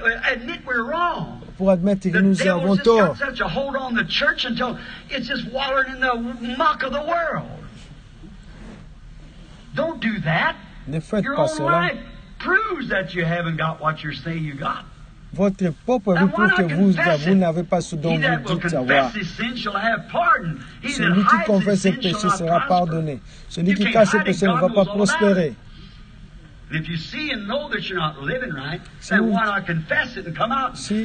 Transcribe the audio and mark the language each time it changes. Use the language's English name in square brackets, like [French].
[English] Admit we're wrong. [French] Pour admettre que nous avons tort. [English] Got such a hold on the church until it's just wallowing in the muck of the world. Don't do that. [French] Ne faites pas cela. [English] Proves that you haven't got what you say you got. [French] Votre propre vie prouve que vous n'avez pas ce dont vous dites avoir. Celui qui confesse ses péchés sera pardonné. Celui qui cache ses péchés ne va pas prospérer. [English] If you see and know that you're not living right, then why not confess it and come out?